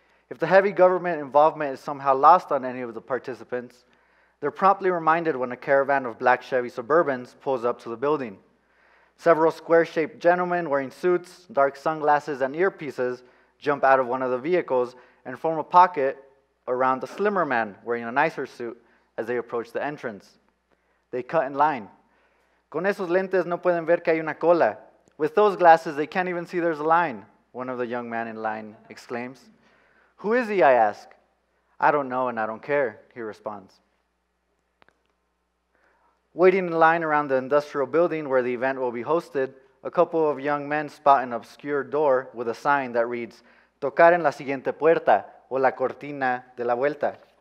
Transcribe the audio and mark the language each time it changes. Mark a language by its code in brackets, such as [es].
[en] If the heavy government involvement is somehow lost on any of the participants, they're promptly reminded when a caravan of black Chevy Suburbans pulls up to the building. Several square-shaped gentlemen wearing suits, dark sunglasses, and earpieces jump out of one of the vehicles and form a pocket around the slimmer man wearing a nicer suit as they approach the entrance. They cut in line. [es] Con esos lentes no pueden ver que hay una cola. [en] With those glasses, they can't even see there's a line, one of the young men in line exclaims. Who is he, I ask. I don't know and I don't care, he responds. Waiting in line around the industrial building where the event will be hosted, a couple of young men spot an obscure door with a sign that reads, [es] Tocar en la siguiente puerta o la cortina de la vuelta.